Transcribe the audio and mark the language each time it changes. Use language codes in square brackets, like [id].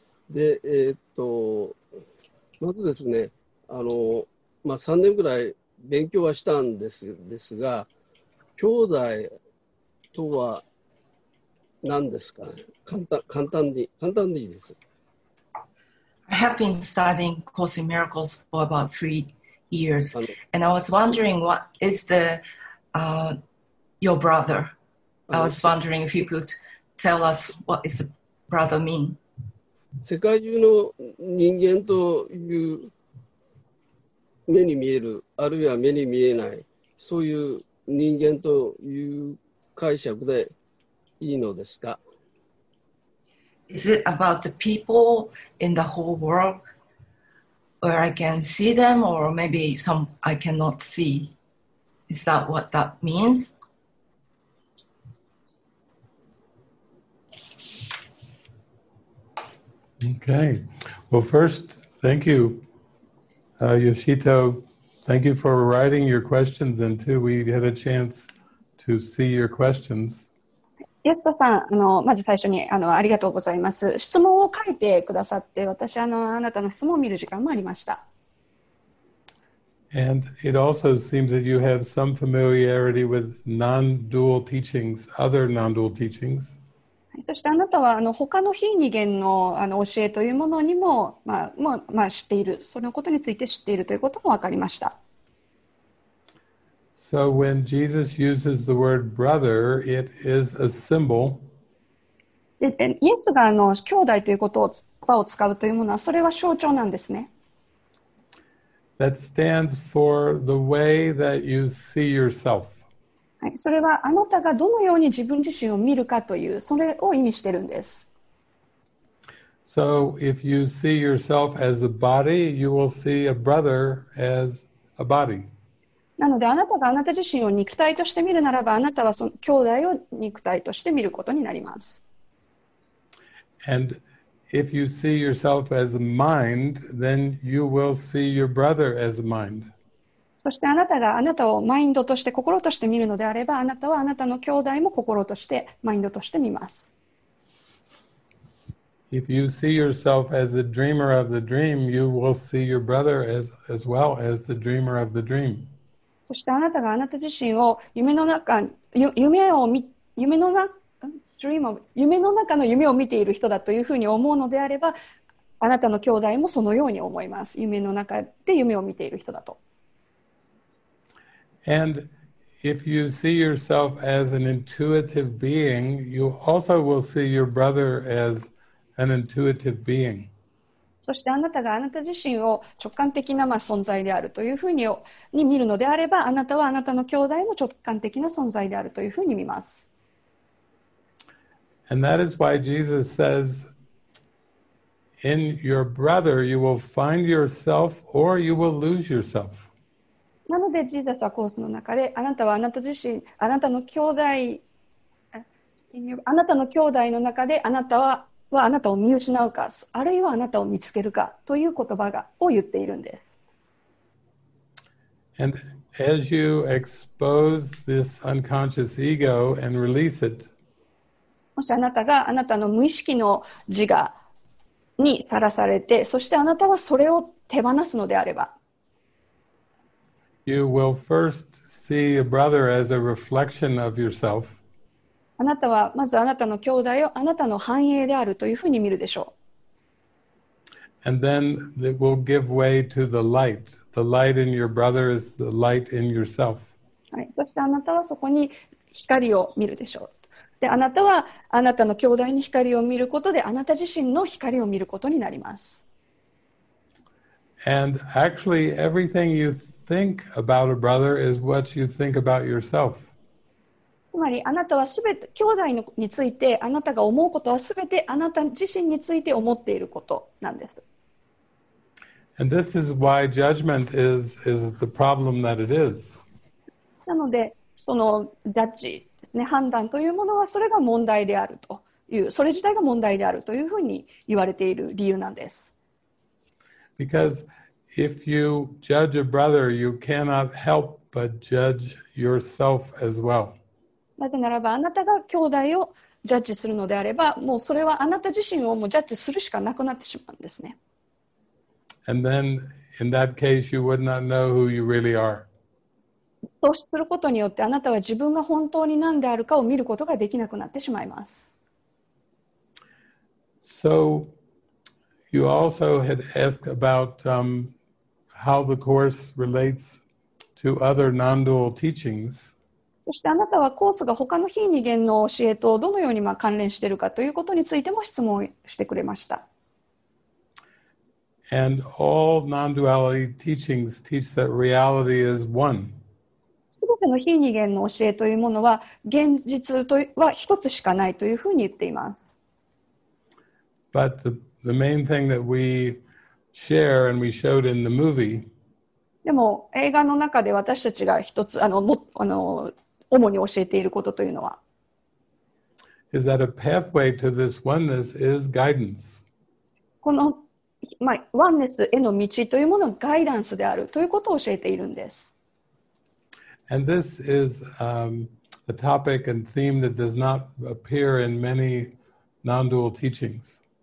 [ja] で、まずですね、まあ、3年ぐらい勉強はしたんですが、兄弟とは何ですか？簡単にいいです。 [en] I have been studying Course in Miracles for about 3 years, and I was wondering what is the, your brother? I was wondering if you could tell us what is the brother mean? [ja] 世界中の人間という目に見える、あるいは目に見えない、そういう人間という解釈でいいのですか？ [en] Is it about the people in the whole world where I can see them or maybe some I cannot see? Is that what that means? Okay. Well, first, thank you, Yoshito. Thank you for writing your questions in too. We had a chance to see your questions. [ja] ヨシトさん、まず最初にありがとうございます。質問を書いてくださって、私あなたの質問を見る時間もありました。 [en] And it also seems that you have some familiarity with non-dual teachings, other non-dual teachings. [ja] そしてあなたは他の非二元の教えというものにも、知っている、そのことについて知っているということも分かりました。 [en] So when Jesus uses the word brother, it is a symbol. [ja] イエスが兄弟ということを言葉を使うというものは、それは象徴なんですね。 [en] That stands for the way that you see yourself. [ja] はい、それはあなたがどのように自分自身を見るかという、それを意味しているんです。 [en] So if you see yourself as a body, you will see a brother as a body. [ja] なのであなたがあなた自身を肉体として見るならば、あなたはその兄弟を肉体として見ることになります。 [en] And if you see yourself as a mind, then you will see your brother as a mind. [ja] そしてあなたがあなたをマインドとして心として見るのであれば、あなたはあなたの兄弟も心としてマインドとして見ます。 [en] If you see yourself as the dreamer of the dream, you will see your brother as well as the dreamer of the dream. [ja] そしてあなたがあなた自身を夢の中、夢の中の夢を見ている人だというふうに思うのであれば、あなたの兄弟もそのように思います。夢の中で夢を見ている人だと。 [en] And if you see yourself as an intuitive being, you also will see your brother as an intuitive being. [ja] そしてあなたがあなた自身を直感的な存在であるというふうに見るのであれば、あなたはあなたの兄弟も直感的な存在であるというふうに見ます。 [en] And that is why Jesus says, in your brother you will find yourself or you will lose yourself. [ja] なのでジーザスはコースの中で、あなたはあなた自身、あなたの兄弟、あなたの兄弟の中であなたはあなたを見失うか、あるいはあなたを見つけるかという言葉がを言っているんです。 [en] And as you expose this unconscious ego and release it, [ja] もしあなたがあなたの無意識の自我にさらされて、そしてあなたはそれを手放すのであれば、 [en] You will first see a brother as a reflection of yourself. [ja] あなたはまずあなたの兄弟をあなたの反映であるというふうに見るでしょう。 [en] And then it will give way to the light. The light in your brother is the light in yourself. [ja] はい。そしてあなたはそこに光を見るでしょう。で、あなたはあなたの兄弟に光を見ることであなた自身の光を見ることになります。 [en] And actually everything you think about a brother is what you think about yourself. [ja] つまりあなたはすべて兄弟についてあなたが思うことはすべてあなた自身について思っていることなんです。 [en] And this is why judgment is the problem that it is. [ja] なのでそのジャッジですね、判断というものはそれが問題であるという、それ自体が問題であるというふうに言われている理由なんです。 [en] Because if you judge a brother, you cannot help but judge yourself as well. [ja] なぜならばあなたが兄弟をジャッジするのであれば、もうそれはあなた自身をもうジャッジするしかなくなってしまうんですね。 [en] And then in that case you would not know who you really are. [ja] そうすることによってあなたは自分が本当に何であるかを見ることができなくなってしまいます。 [en] So you also had asked about how the course relates to other non-dual teachings. [ja] そしてあなたはコースが他の非二元の教えとどのようにまあ関連しているかということについても質問してくれました。 [en] And all non-duality teachings teach that reality is one. [ja] の非二元の教えというものは現実は一つしかないというふうに言っています。 [en] But the main thing that we share and we showed in the movie、 [ja] でも映画の中で私たちが一つ主に教えていることというのは、 [en] is that a pathway to this oneness is guidance。 [ja] この、まあ、ワンネスへの道というものがガイダンスであるということを教えているんです。 [en] And this is a topic and theme that does not appear in many non-dual teachings.